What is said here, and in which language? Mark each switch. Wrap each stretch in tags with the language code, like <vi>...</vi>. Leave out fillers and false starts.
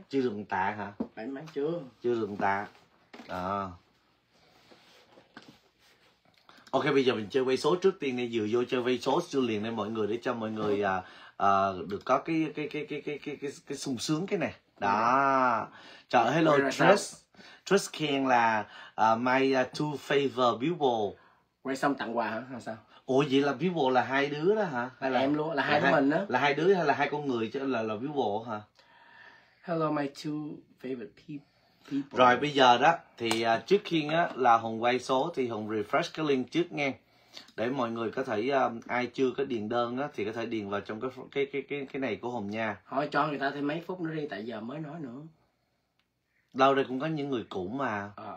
<vi>Chưa được tạ hả? 7 mấy chưa. Chưa được tạ. Ok, bây giờ mình chơi quay số trước tiên đi, vừa vô chơi quay số chưa liền đây mọi người, để cho mọi người được có cái sung sướng cái này. Đó. Trời, hello Trish.</vi> <en>Trish Ken là my two favorite people.</en> <vi>Quay xong tặng quà hả? Hay sao? Ủa vậy là people là hai đứa đó hả? Hay là em luôn, là hai đứa mình đó. Là hai đứa hay là hai con người chứ là people hả?</vi> <en>Hello my two favorite people.</en> <vi>Rồi bây giờ đó thì trước khi á là Hùng quay số thì Hùng refresh cái link trước nghe, để mọi người có thể ai chưa có điền đơn á thì có thể điền vào trong cái này của Hùng nha. Thôi cho người ta thêm mấy phút nữa đi, tại giờ mới nói nữa. Lâu đây cũng có những người cũ mà.</vi>